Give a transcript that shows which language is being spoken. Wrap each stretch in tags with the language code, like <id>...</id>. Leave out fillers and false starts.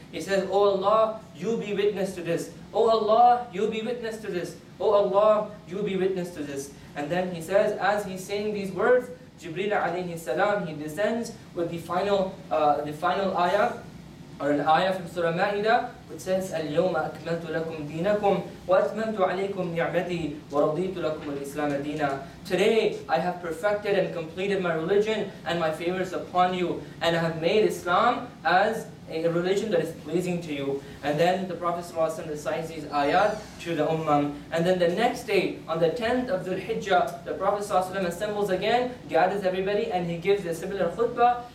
<en>He says, O Allah, you be witness to this. O Allah, you be witness to this. O Allah, you be witness to this. And then he says, as he's saying these words, Jibreel alayhi salam, he descends with the final ayah, or an ayah from Surah Ma'idah, which says,</en> <ar>اليوم أكملت لكم دينكم وأتممت عليكم نعمتي ورضيت لكم الإسلام دينا.</ar> <en>Today I have perfected and completed my religion and my favors upon you, and I have made Islam as a religion that is pleasing to you. And then the Prophet ﷺ recites these ayat to the Ummah. And then the next day, on the 10th of Dhul Hijjah, the Prophet ﷺ assembles again, gathers everybody, and he gives a similar khutbah.</en>